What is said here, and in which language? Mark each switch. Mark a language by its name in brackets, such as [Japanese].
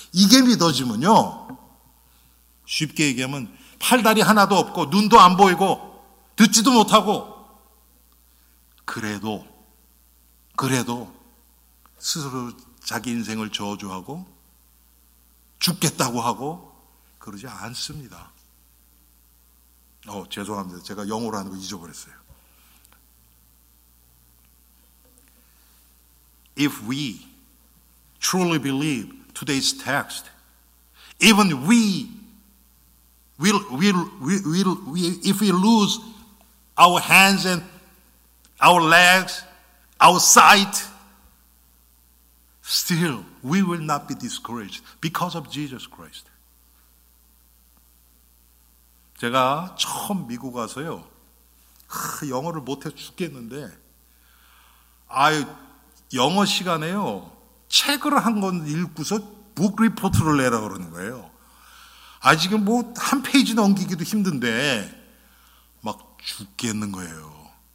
[Korean] 이게 믿어지면요 쉽게 얘기하면 팔다리 하나도 없고 눈도 안 보이고 듣지도 못하고 그래도 스스로 자기 인생을 저주하고 죽겠다고 하고 그러지 않습니다. 죄송합니다. 제가 영어로 하는 거 잊어버렸어요. [English] If we truly believe today's text, even we if we lose our hands and our legs, our sight, still we will not be discouraged because of Jesus Christ. [Korean] 제가 처음 미국 와서요, 영어를 못해 죽겠는데, 아유, 영어 시간에요, 책을 한 건 읽고서 book report를 내라 그러는 거예요. 아, 지금 뭐, 한 페이지 넘기기도 힘든데, 막 죽겠는 거예요.